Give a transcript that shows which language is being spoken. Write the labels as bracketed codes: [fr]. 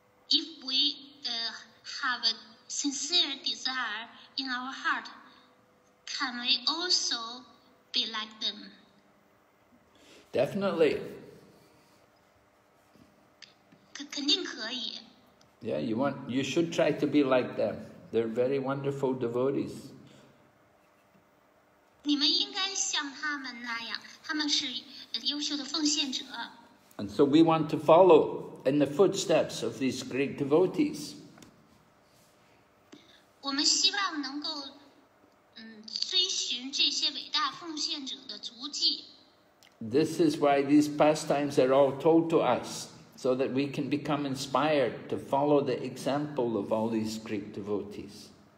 [en] If we have a sincere desire in our heart, Can we also be like them? Definitely. [zh] 肯定可以。 [en] Yeah, you should try to be like them. They're very wonderful devotees. [zh] 你们应该像他们那样，他们是优秀的奉献者。And [en] so we want to follow in the footsteps of these great devotees. [zh] 我们希望能够追寻这些伟大奉献者的足迹。 [en] This is why these pastimes are all told to us, so that we can become inspired to follow the example of all these great devotees.